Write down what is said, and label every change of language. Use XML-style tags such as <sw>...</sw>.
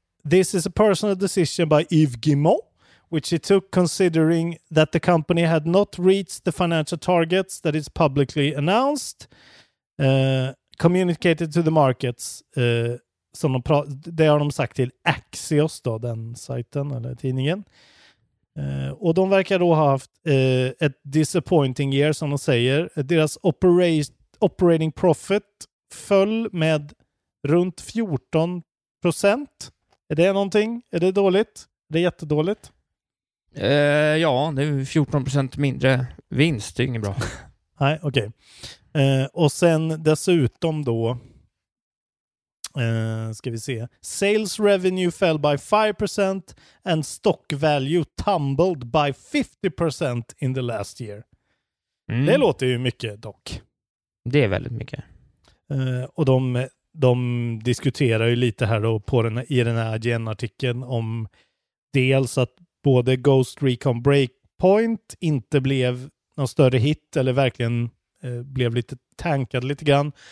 <en>This is a personal decision by Yves Guillemot, which he took considering that the company had not reached the financial targets that is publicly announced, communicated to the markets.</en> <sv>Som de det har de sagt till Axios då, den sajten eller tidningen. Och de verkar då ha haft ett</sv> <en>disappointing year,</en> <sv>som de säger. Deras operating profit föll med runt 14%. Är det någonting? Är det dåligt? Är det jättedåligt? Ja, det är 14% mindre vinst. Det är inget bra. Nej, okej. Och sen dessutom då, ska vi se.</sv> <en>Sales revenue fell by 5% and stock value tumbled by 50% in the last year. Mm.</en> <sv>Det låter ju mycket dock. Det är väldigt mycket. Och de diskuterar ju lite här då i den här IGN-artikeln om dels att både Ghost Recon Breakpoint inte blev någon större hit eller verkligen blev lite tankad lite grann.</sv>